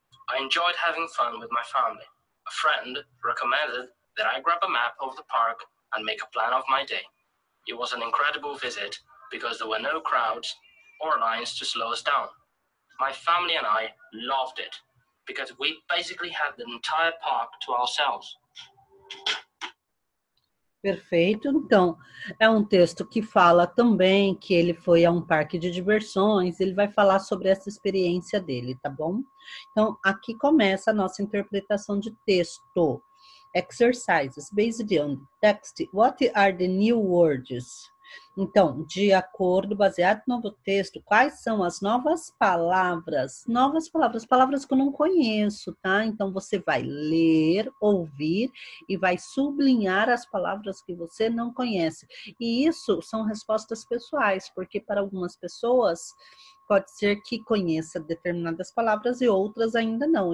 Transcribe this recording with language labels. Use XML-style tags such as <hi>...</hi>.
<en>I enjoyed having fun with my family. A friend recommended that I grab a map of the park and make a plan of my day. It was an incredible visit because there were no crowds or lines to slow us down. My family and I loved it because we basically had the entire park to ourselves.</en> <pt>Perfeito, então, é um texto que fala também que ele foi a um parque de diversões, ele vai falar sobre essa experiência dele, tá bom? Então, aqui começa a nossa interpretação de texto.</pt> <en>Exercises, based on text, what are the new words?</en> <pt>Então, de acordo, baseado no novo texto, quais são as novas palavras? Novas palavras, palavras que eu não conheço, tá? Então, você vai ler, ouvir e vai sublinhar as palavras que você não conhece. E isso são respostas pessoais, porque para algumas pessoas pode ser que conheça determinadas palavras e outras ainda não.</pt>